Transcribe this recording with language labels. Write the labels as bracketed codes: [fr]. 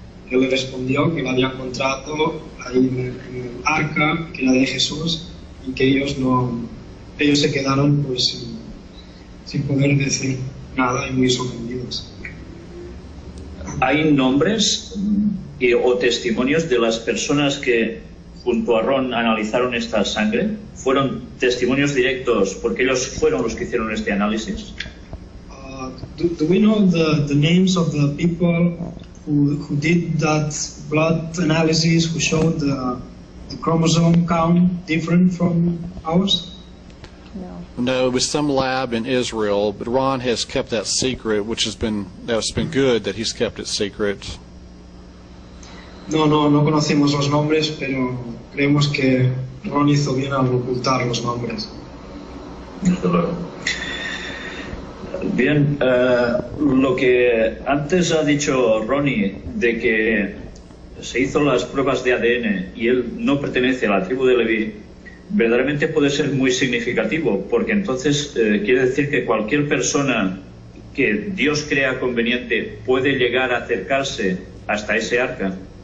[es] Él le respondió que la había encontrado ahí en el arca, que era de Jesús, y que ellos se quedaron pues sin poder decir nada y muy sorprendidos. ¿Hay nombres o testimonios de las personas que junto a Ron analizaron esta sangre? ¿Fueron testimonios directos porque ellos fueron los que hicieron este análisis? [en] Do we know the names of the people who did that blood analysis, who showed the chromosome count different from ours? No, it was some lab in Israel, but Ron has kept that secret, which has been, that's been good that he's kept it secret. [es] No conocemos los nombres, pero creemos que Ron hizo bien al ocultar los nombres. Bien, lo que antes ha dicho Ronnie de que se hizo las pruebas de ADN y él no pertenece a la tribu de Leví, verdaderamente puede ser muy significativo, porque entonces quiere decir que cualquier persona que Dios crea conveniente puede llegar a acercarse hasta ese arca.